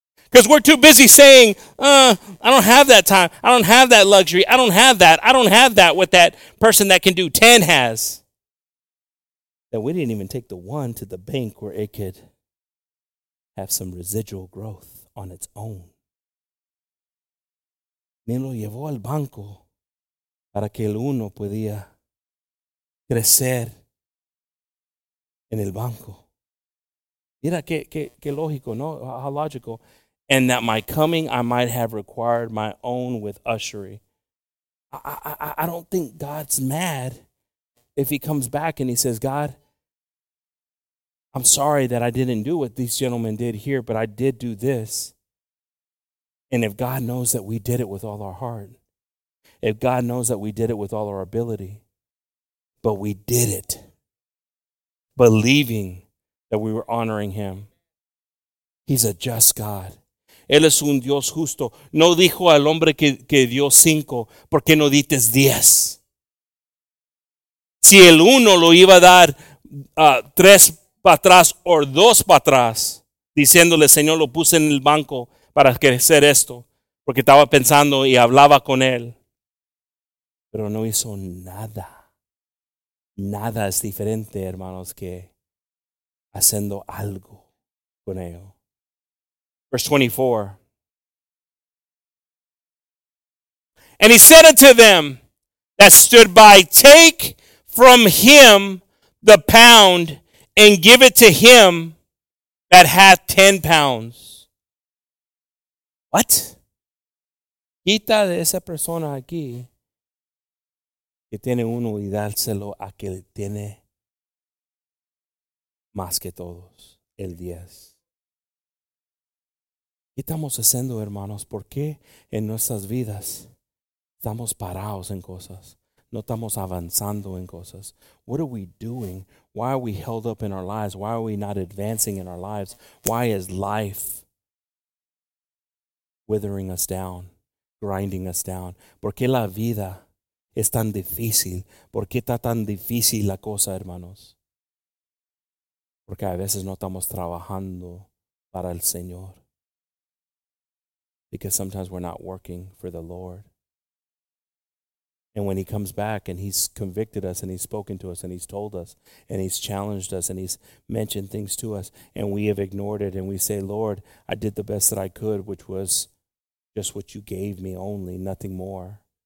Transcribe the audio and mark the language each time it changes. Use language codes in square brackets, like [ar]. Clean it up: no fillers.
[en] Because we're too busy saying, I don't have that time. I don't have that luxury. I don't have that. I don't have that what that person that can do 10 has. That we didn't even take the one to the bank where it could have some residual growth on its own. [es] Ni lo llevó al banco para que el uno podía crecer en el banco. Mira que lógico, no? [en] How logical. And that my coming I might have required my own with usury. I don't think God's mad if he comes back and he says, God, I'm sorry that I didn't do what these gentlemen did here, but I did do this. And if God knows that we did it with all our heart, if God knows that we did it with all our ability, but we did it believing that we were honoring him, he's a just God. [es] Él es un Dios justo. No dijo al hombre que dio cinco, ¿por qué no dites diez? Si el uno lo iba a dar tres para atrás o dos para atrás, diciéndole, Señor, lo puse en el banco para crecer esto, porque estaba pensando y hablaba con él. Pero no hizo nada. Nada es diferente, hermanos, que haciendo algo con ello. [en] Verse 24. And he said unto them that stood by, take from him the pound and give it to him that hath 10 pounds. What? [es] Quita de esa persona aquí que tiene uno y dárselo a que tiene más que todos, el 10. ¿Qué estamos haciendo, hermanos? ¿Por qué en nuestras vidas estamos parados en cosas? No estamos avanzando en cosas. [en] What are we doing? Why are we held up in our lives? Why are we not advancing in our lives? Why is life withering us down, grinding us down? [es] ¿Por qué la vida es tan difícil? ¿Por qué está tan difícil la cosa, hermanos? Porque a veces no estamos trabajando para el Señor. [en] Because sometimes we're not working for the Lord. And when he comes back and he's convicted us and he's spoken to us and he's told us and he's challenged us and he's mentioned things to us and we have ignored it and we say, Lord, I did the best that I could, which was just what you gave me only, nothing more.